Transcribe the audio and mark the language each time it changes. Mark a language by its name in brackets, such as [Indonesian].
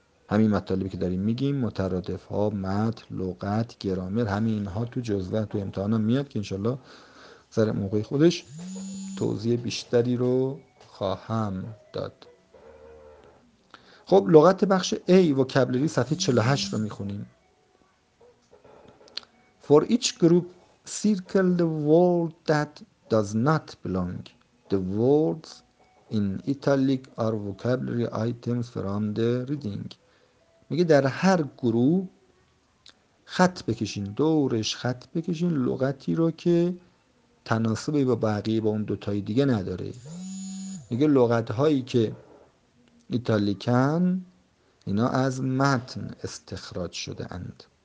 [Persian] همین مطالبی که داریم میگیم، مترادف ها، متن، لغت، گرامر، همین اینها تو جزوه تو امتحان میاد که انشالله سر موقع خودش توضیح بیشتری رو خواهم داد. خب لغت بخش A و وکبلری صفحه 48 رو میخونیم. [English] For each group circle the word that does not belong. The words in italic are vocabulary items from the reading. [Persian] میگه در هر گروه خط بکشین، دورش خط بکشین لغتی رو که تناسبی با بقیه با اون دوتایی دیگه نداره. میگه لغت هایی که ایتالیکن اینا از متن استخراج شده اند.